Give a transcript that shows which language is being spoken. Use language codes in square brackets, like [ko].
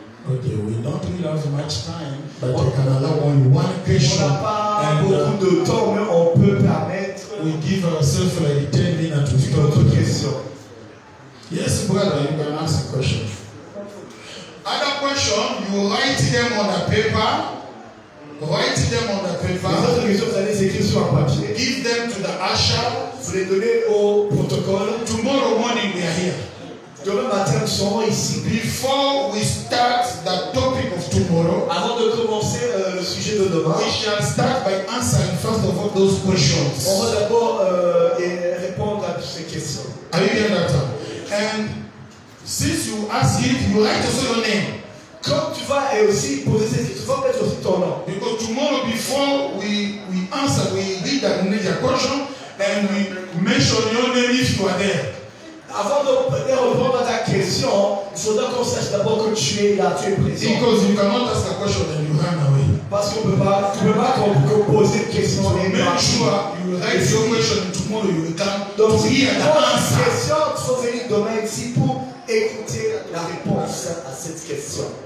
[en] Okay, we don't really have much time, but we can allow only one question. [fr] On n'a pas beaucoup de temps, mais on peut permettre. [en] We give ourselves like 10 minutes to talk. Question. Yes, brother, you can ask a question. Other question, you write them on a paper. Write them on a paper. Give them to the usher. [fr] Vous les donnez au protocole. [en] Tomorrow morning we are here. [fr] Demain matin nous serons ici. [en] Before we start the topic of tomorrow, [fr] avant de commencer le sujet de demain, [en] we shall start by answering first of all those questions. [fr] On va d'abord répondre à ces questions. [en] Are you hearing that? And since you ask it, you write also your name. [fr] Quand tu vas et aussi poser cette question, tu vas mettre aussi ton nom. [en] Because tomorrow before we answer, we read the major question and we mention your name if you are there. [fr] Avant de répondre à ta question, il faudra qu'on sache d'abord que tu es là, tu es présent. [en] Because you cannot ask a question and you run away. [fr] Parce qu'on peut pas, tu peux pas qu'on pose une question. [en] So make sure you write your question and tomorrow you return. [fr] Donc si tu poses une question, tu vas venir demain ici pour écouter la réponse à cette question.